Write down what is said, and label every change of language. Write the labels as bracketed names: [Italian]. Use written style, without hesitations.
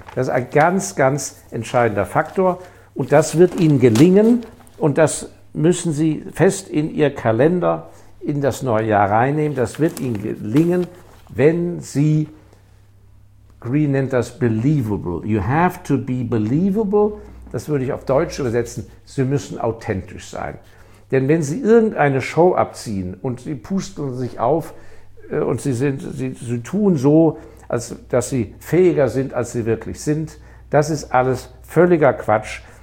[German] Das ist ein ganz, ganz entscheidender Faktor. Und das wird Ihnen gelingen. Und das müssen Sie fest in Ihr Kalender, in das neue Jahr reinnehmen. Das wird Ihnen gelingen, wenn Sie, Green nennt das believable. [English] You have to be believable. [German] Das würde ich auf Deutsch übersetzen. Sie müssen authentisch sein. Denn wenn Sie irgendeine Show abziehen und Sie pusteln sich auf und Sie tun so, als dass Sie fähiger sind, als Sie wirklich sind, das ist alles völliger Quatsch.